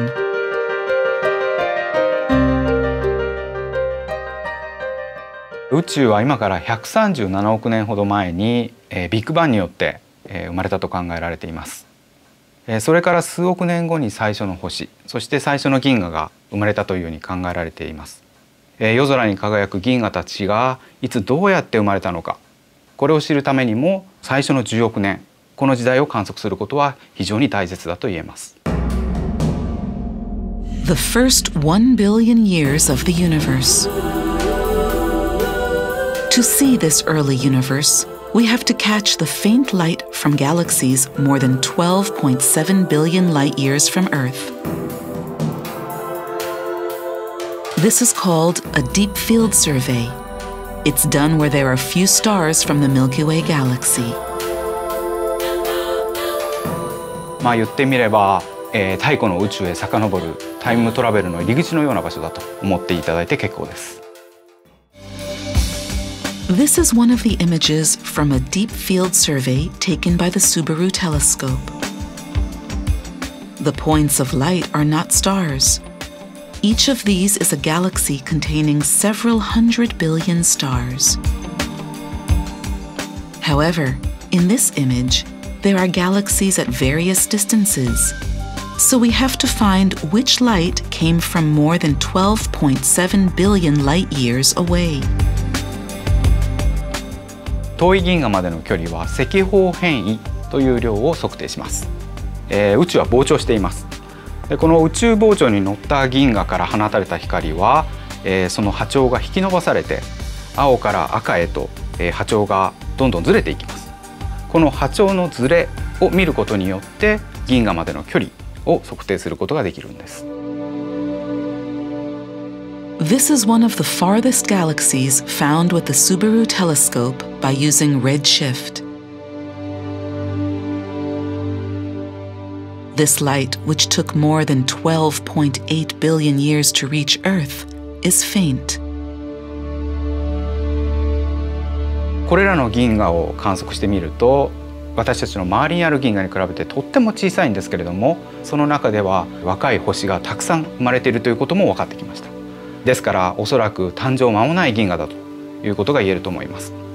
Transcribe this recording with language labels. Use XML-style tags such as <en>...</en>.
<en>Earth is now 137 million years ago, by the Big Bang, it was created by the Big Bang. Then, after a few million years, the first star, and the first galaxy, was created by the Big Bang.</en> <ja>夜空に輝く銀河たちがいつどうやって生まれたのか、これを知るためにも最初の10億年、この時代を観測することは非常に大切だと言えます。</ja> <en>The first 1 billion years of the universe. To see this early universe, we have to catch the faint light from galaxies more than 12.7 billion light years from Earth. This is called a deep field survey. It's done where there are few stars from the Milky Way galaxy.</en> <ja>まあ、言ってみれば、太古の宇宙へ遡るタイムトラベルの入り口のような場所だと思っていただいて結構です。</ja> <en>This is one of the images from a deep field survey taken by the Subaru telescope. The points of light are not stars. Each of these is a galaxy containing several hundred billion stars. However, in this imageThere are galaxies at various distances. So we have to find which light came from more than 12.7 billion light years away.</en> <ja>遠い銀河までの距離は赤方変位という量を測定します。宇宙は膨張しています。で、この宇宙膨張に乗った銀河から放たれた光は、その波長が引き伸ばされて、青から赤へと、波長がどんどんずれていきます。この波長のズレを見ることによって銀河までの距離を測定することができるんです。</ja> <en>This is one of the farthest galaxies found with the Subaru telescope by using redshift. This light, which took more than 12.8 billion years to reach Earth, is faint.</en> <ja>これらの銀河を観測してみると、私たちの周りにある銀河に比べてとっても小さいんですけれども、その中では若い星がたくさん生まれているということも分かってきました。ですから、おそらく誕生間もない銀河だということが言えると思います。</ja>